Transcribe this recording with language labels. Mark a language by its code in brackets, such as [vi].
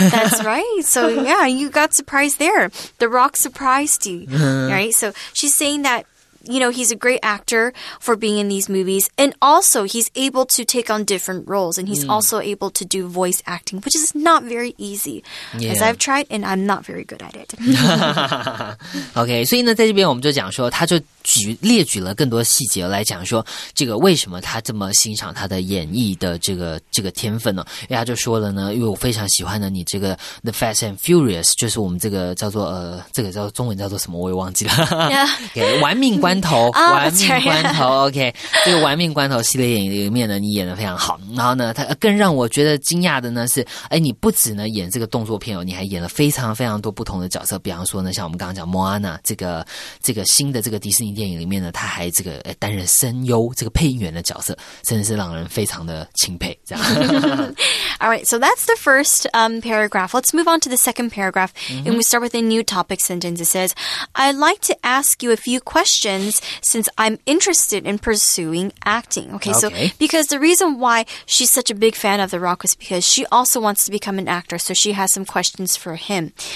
[en] That's right. So, yeah, you got surprised there. The Rock surprised you, right? So she's saying that,You know, he's a great actor for being in these movies. And also, he's able to take on different roles. And he's also able to do voice acting, which is not very easy. Yeah. As I've tried, and I'm not very good at it. [zh] OK, 所以呢，在这边我们就讲说，他就列举了更多细节来讲说，这个为什么他这么欣赏他的演绎的这个天分呢？因为他就说了呢，因为我非常喜欢呢你这个 The Fast and Furious, 就是我们这个叫做这个叫中文叫做什么我也忘记了。 Yeah. OK, 玩命关头、 oh, 玩命关头、 right. OK, 这个玩命关头系列演里面呢你演得非常好。然后呢他更让我觉得惊讶的呢是哎你不只呢演这个动作片哦，你还演了非常非常多不同的角色，比方说呢像我们刚刚讲 Moana, 这个新的这个迪士尼电影里面呢他还这个担任声优这个配音员的角色，真的是让人非常的钦佩这样。 [en] Alright, so that's the first paragraph. Let's move on to the second paragraph, and we start with a new topic sentence. It says, I'd like to ask you a few questions since I'm interested in pursuing acting. Okay, so because the reason why she's such a big fan of The Rock was because she also wants to become an actor, so she has some questions for him.